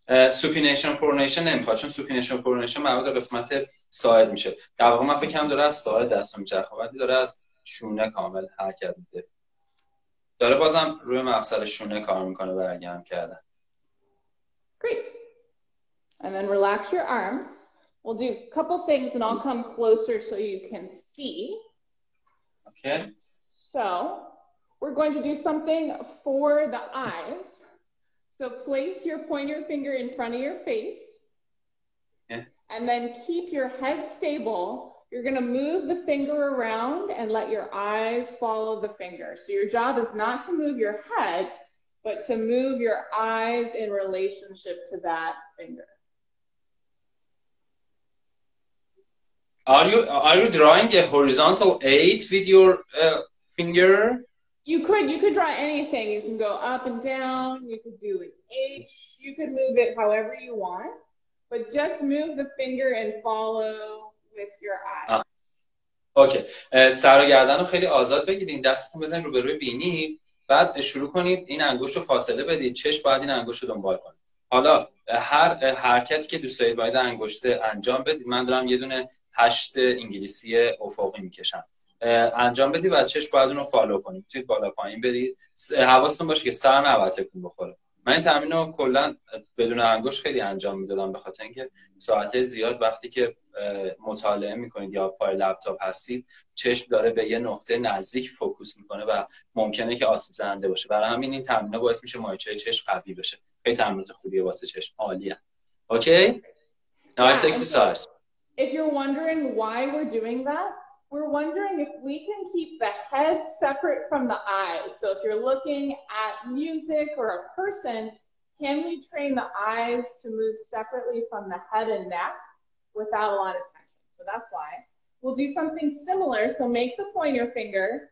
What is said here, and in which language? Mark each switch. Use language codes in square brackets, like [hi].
[fa] سوپینیشن و پرونیشن نمیخواد، چون سوپینیشن و پرونیشن مربوط به قسمت ساعد میشه. در واقع من فکرم داره از ساعد دستو میچرخه، ولی داره از شونه کامل حرکت میده، داره بازم روی مفصل شونه کار میکنه برگرم کردن. [en] Great. And then relax your arms. We'll do a couple things and I'll come closer so you can see. Okay. So we're going to do something for the eyes. So place your pointer finger in front of your face. Yeah. And then keep your head stable. You're going to move the finger around and let your eyes follow the finger. So your job is not to move your head, but to move your eyes in relationship to that finger. Are you drawing a horizontal 8 with your finger? You could draw anything. You can go up and down. You could do an H. You could move it however you want. But just move the finger and follow with your eyes. Okay. [fa] سر و گردن رو خیلی آزاد بگیرید. دستتون بزنید روبروی بینی. بعد شروع کنید. این انگشت رو فاصله بدید. چشم باید این انگشت رو دنبال کنه. حالا هر حرکتی که دوست دارید باید انگشت انجام بدید. من دارم یه دونه 8 انگلیسی افقی میکشم. انجام بدی و چشم باید اون رو فالو کنی، میتونید بالا پایین برید، حواستون باشه که سر نباید تکون بخوره. من این تمرین رو کلن بدون انگشت خیلی انجام میدادم به خاطر اینکه ساعت زیاد وقتی که مطالعه میکنید یا پای لپتاپ هستید، چشم داره به یه نقطه نزدیک فوکوس میکنه و ممکنه که آسیب زنده باشه. برای همین این تمرین باعث میشه مایچه چشم قوی بشه. خیلی تمرینات خوبیه واسه چشم، عالیه. [en] Okay? Nice exercise. If you're wondering why we're doing that, we're wondering if we can keep the head separate from the eyes. So if you're looking at music or a person, can we train the eyes to move separately from the head and neck without a lot of tension? So that's why. We'll do something similar. So make the pointer finger,